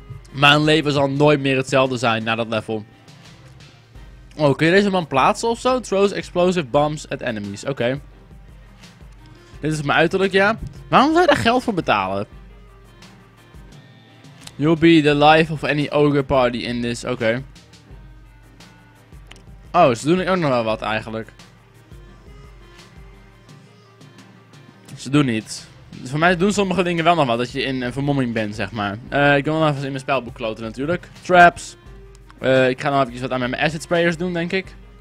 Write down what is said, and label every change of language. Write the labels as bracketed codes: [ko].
[nl] Mijn leven zal nooit meer hetzelfde zijn na dat level. Oh, kun je deze man plaatsen ofzo? [en] Throws explosive bombs at enemies. [nl] Oké. Okay. Dit is mijn uiterlijk, ja. Waarom zou je daar geld voor betalen? [en] You'll be the life of any ogre party in this. Oké. Okay. [nl] Oh, ze doen ook nog wel wat eigenlijk. Ze doen niet. Dus voor mij doen sommige dingen wel nog wat. Dat je in een vermomming bent, zeg maar. Ik wil nog even in mijn spelboek kloten, natuurlijk. Traps. Ik ga nog even wat aan met mijn acid sprayers doen, denk ik.